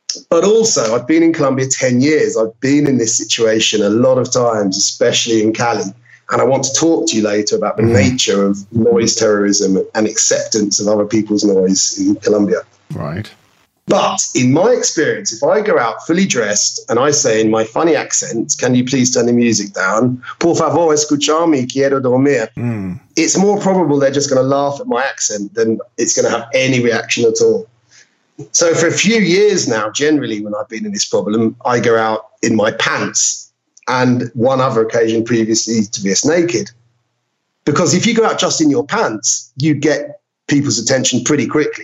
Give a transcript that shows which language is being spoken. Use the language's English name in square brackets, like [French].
[English] But also I've been in Colombia 10 years. I've been in this situation a lot of times, especially in Cali. And I want to talk to you later about the nature of noise terrorism and acceptance of other people's noise in Colombia. Right. But in my experience, if I go out fully dressed and I say in my funny accent, can you please turn the music down? [Spanish] Por favor, escuchame, quiero dormir. Mm. [English] It's more probable they're just going to laugh at my accent than it's going to have any reaction at all. So for a few years now, generally when I've been in this problem, I go out in my pants and one other occasion previously to be naked. Because if you go out just in your pants, you get people's attention pretty quickly.